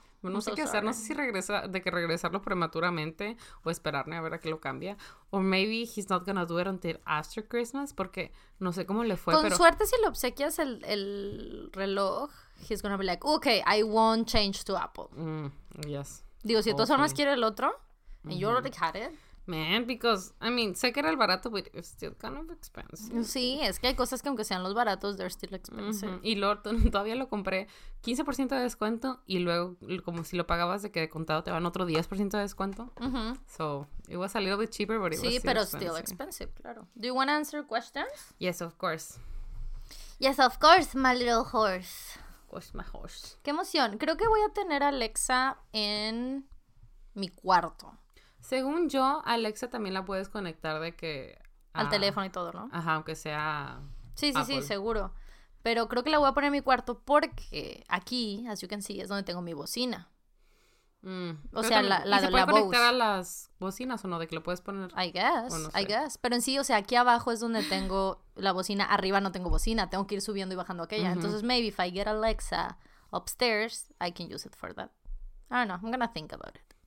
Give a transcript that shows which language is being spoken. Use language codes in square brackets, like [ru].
[es] No sé qué hacer, no sé si regresarlo prematuramente o esperarme a ver a que lo cambia. [en] O maybe he's not gonna do it until after Christmas, [es] porque no sé cómo le fue. Con suerte, si le obsequias el reloj, [en] he's gonna be like, okay, I won't change to Apple. Yes. [es] Digo, si de todas formas quiere el otro, mm-hmm. [en] and you already had it. Man, because, I mean, [es] sé que era el barato, [en] but it's still kind of expensive. [es] Sí, es que hay cosas que aunque sean los baratos, [en] they're still expensive. [es] Mm-hmm. Y todavía lo compré 15% de descuento, y luego, como si lo pagabas de que de contado te van otro 10% de descuento. Mm-hmm. [en] So, it was a little bit cheaper, but it [es] sí, [en] was still [es] pero [en] expensive. Still expensive, [es] claro. [en] Do you want to answer questions? Yes, of course. Yes, of course, my little horse. Of course, my horse. [es] Qué emoción. Creo que voy a tener a Alexa en mi cuarto. Según yo, Alexa también la puedes conectar de que... al teléfono y todo, ¿no? Ajá, aunque sea... Sí, sí, Apple. Sí, seguro. Pero creo que la voy a poner en mi cuarto porque aquí, [en] as you can see, [es] es donde tengo mi bocina. Mm. O sea, también, la de la Bose. ¿Se puede conectar a las bocinas o no? De que lo puedes poner... [en] I guess. [es] Pero en sí, o sea, aquí abajo es donde tengo la bocina. Arriba no tengo bocina. Tengo que ir subiendo y bajando aquella. Mm-hmm. [en] Entonces, maybe if I get Alexa upstairs, I can use it for that. I don't know. I'm gonna think about it.